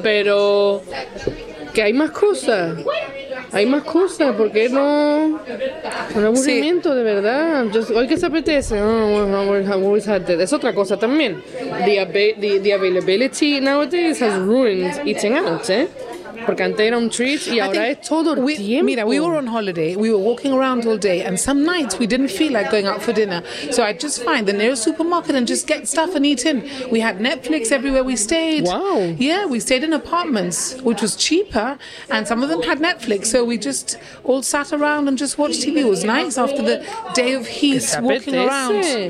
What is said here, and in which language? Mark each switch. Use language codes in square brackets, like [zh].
[es] Pero... Que hay más cosas. hay más cosas, ¿por qué no? Un aburrimiento, sí. De verdad. Just, ¿hoy qué se apetece? Es otra cosa también. [en] The availability nowadays has ruined eating out, ¿eh? [es] Porque antes era un treat y ahora es todo el tiempo. [en] Mira, we were on holiday, we were walking around all day, and some nights we didn't feel like going out for dinner. So I just find the nearest supermarket and just get stuff and eat in. We had Netflix everywhere we stayed. Wow. Yeah, we stayed in apartments, which was cheaper, and some of them had Netflix. So we just all sat around and just watched TV. It was nice after the day of heat walking around.